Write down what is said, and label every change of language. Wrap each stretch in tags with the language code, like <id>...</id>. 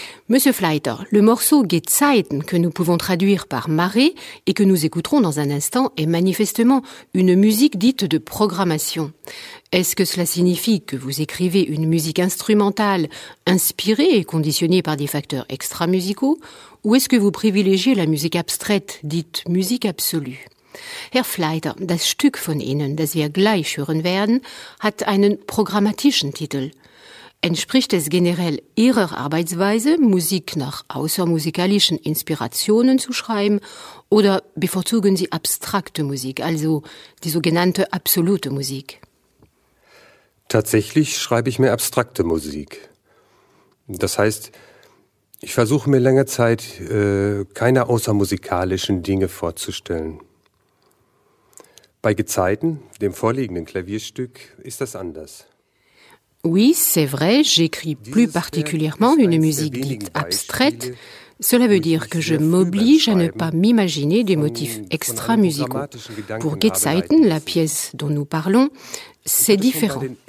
<fr>Monsieur Flyter, le morceau « Gezeiten » que nous pouvons traduire par « marée » et que nous écouterons dans un instant est manifestement une musique dite de programmation. Est-ce que cela signifie que vous écrivez une musique instrumentale inspirée et conditionnée par des facteurs extra-musicaux ou est-ce que vous privilégiez la musique abstraite dite « musique absolue » ?</fr> <de>Herr Flyter, das Stück von Ihnen, das wir gleich hören werden, hat einen programmatischen Titel. Entspricht es generell Ihrer Arbeitsweise, Musik nach außermusikalischen Inspirationen zu schreiben oder bevorzugen Sie abstrakte Musik, also die sogenannte absolute Musik? Tatsächlich schreibe ich mir abstrakte Musik. Das heißt, ich versuche mir lange Zeit keine außermusikalischen Dinge vorzustellen. Bei Gezeiten, dem vorliegenden Klavierstück, ist das anders.</de> <fr>Oui, c'est vrai, j'écris plus particulièrement une musique dite abstraite. Cela veut dire que je m'oblige à ne pas m'imaginer des motifs extra-musicaux. Pour Gezeiten, la pièce dont nous parlons, c'est différent.</fr>